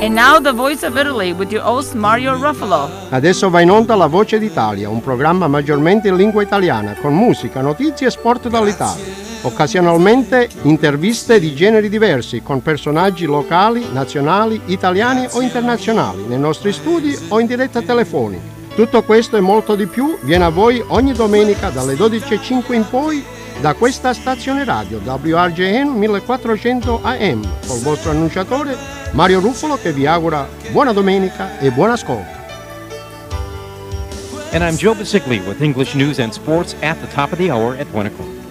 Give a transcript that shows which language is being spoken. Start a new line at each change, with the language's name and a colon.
English: And now the voice of Italy with your host Mario Ruffalo.
Italian: Adesso va in onda La Voce d'Italia, un programma maggiormente in lingua italiana, con musica, notizie e sport dall'Italia. Occasionalmente interviste di generi diversi con personaggi locali, nazionali, italiani o internazionali, nei nostri studi o in diretta telefonica. Tutto questo e molto di più viene a voi ogni domenica dalle 12.05 in poi da questa stazione radio WRJN 1400 AM col vostro annunciatore Mario Ruffalo che vi augura buona domenica e buon ascolto.
English: And I'm Joe Basigli with English News and Sports at the top of the hour at 1 o'clock.